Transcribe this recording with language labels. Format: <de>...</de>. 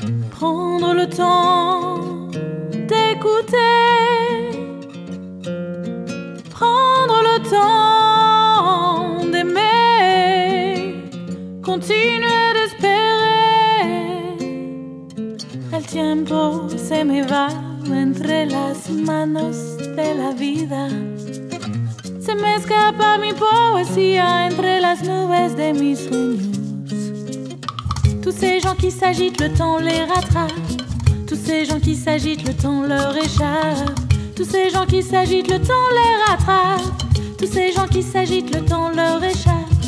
<fr>Prendre le temps d'écouter, prendre le temps d'aimer, continuer d'espérer.</fr> <es>El tiempo se me va entre las manos de la vida. Se me escapa mi poesía entre las nubes de mis sueños.</es> <fr>Tous ces gens qui s'agitent, le temps les rattrape. Tous ces gens qui s'agitent, le temps leur échappe. Tous ces gens qui s'agitent, le temps les rattrape. Tous ces gens qui s'agitent, le temps leur échappe.</fr>